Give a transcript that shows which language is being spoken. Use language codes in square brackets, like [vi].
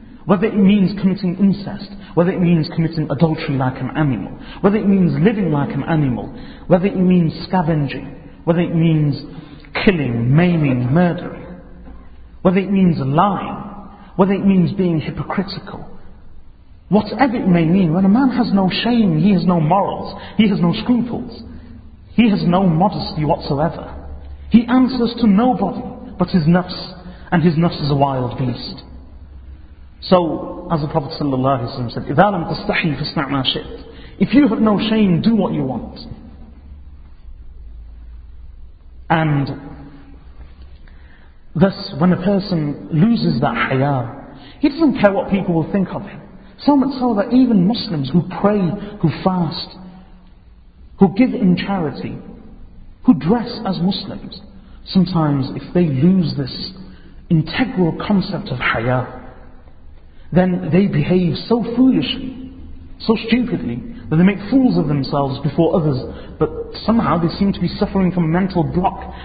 [en] Whether it means committing incest, whether it means committing adultery like an animal, whether it means living like an animal, whether it means scavenging, whether it means killing, maiming, murdering, whether it means lying, whether it means being hypocritical, whatever it may mean, when a man has no shame, he has no morals, he has no scruples, he has no modesty whatsoever. He answers to nobody but his nafs, and his nafs is a wild beast. So, as the Prophet ﷺ said, [ar] إِذَا لَمْ تَسْتَحِي فَاسْنَعْ مَا شِئْتَ. [en] If you have no shame, do what you want. And thus, when a person loses that haya, he doesn't care what people will think of him. So much so that even Muslims who pray, who fast, who give in charity, who dress as Muslims, sometimes if they lose this integral concept of haya, then they behave so foolishly, so stupidly, that they make fools of themselves before others, but somehow they seem to be suffering from a mental block.